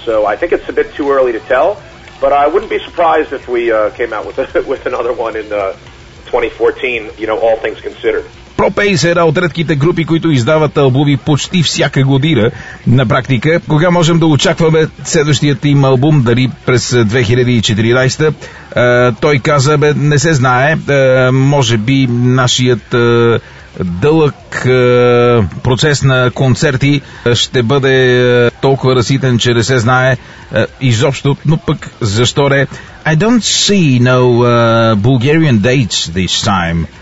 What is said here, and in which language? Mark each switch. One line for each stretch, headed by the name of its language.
English: So I think it's a bit too early to tell, but I wouldn't be surprised if we came out with with another one in 2014. You know, all things considered.
Bulgarian: Propane са една от редките групи, които издават албуми почти всяка година. На практика, кога можем да очакваме следващият им албум, дали през 2014-та? Той каза, бе, не се знае, може би нашият дълъг процес на концерти ще бъде толкова разситен, че не се знае изобщо, но пък защо не?
English: I don't see no Bulgarian dates this time.